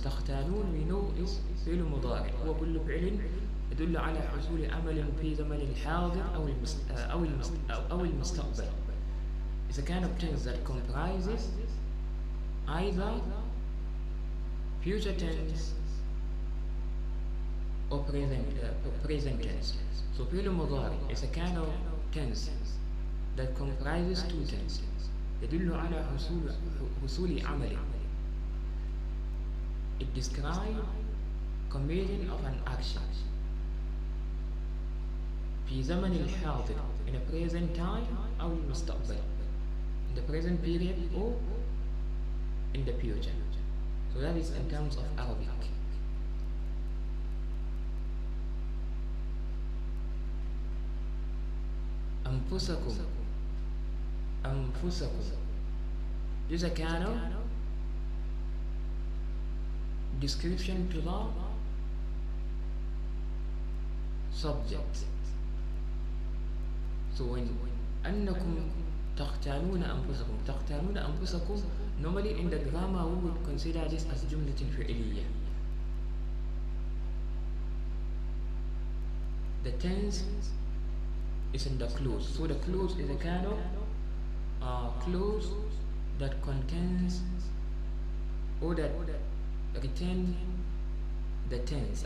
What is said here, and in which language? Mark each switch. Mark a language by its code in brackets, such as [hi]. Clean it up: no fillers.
[ar] تختانون [en] we know is [ar] فعل مضارع. هو كل فعل يدل على حصول عمل في زمن الحاضر أو المستقبل. [en] It's a kind of tense that comprises either future tense or present tense. So فعل مضارع is a kind of tense that comprises two tenses. [ar] يدل على حصول عمل. [en] It describes committing of an action. [ar] في زمن الحاضر [en] in a present time [ar] أو المستقبل. [en] In the present period or in the future. So that is in terms of Arabic. [ar] أنفسكم أنفسكم. [en] This is a kind of description to the subject. So when [ar] أنكم تختانون أنفسكم. تختانون أنفسكم. [en] Normally in the grammar we would consider this as جملة فعلية. The tense is in the clause. So the clause is a kind of clause that contains or that retains the tense.